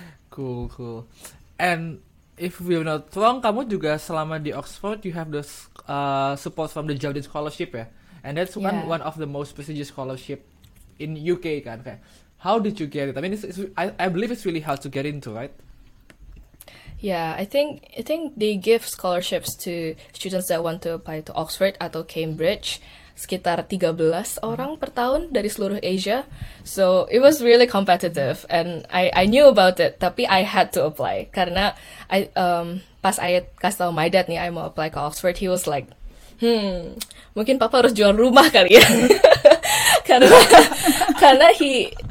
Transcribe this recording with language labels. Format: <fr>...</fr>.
<en>Cool. And if we're not wrong,</en> <id>kamu juga selama di Oxford,</id> <en>you have the support from the Geraldine Scholarship ya? And that's one of the most prestigious scholarship in UK kan? Okay. How did you get it? I mean, I believe it's really hard to get into, right? Yeah, I think they give scholarships to students that want to apply to Oxford</en> <id>atau</id> <en>Cambridge.</en> <id>Sekitar 13 orang per tahun dari seluruh Asia.</id> <en>So, it was really competitive. And I knew about it,</en> <id>tapi</id> <en>I had to apply.</en> <id>Karena pas I kasih tau my dad nih, I mau apply ke Oxford,</id> <en>he was like,</en> <id>mungkin papa harus jual rumah kali ya. karena he...</id>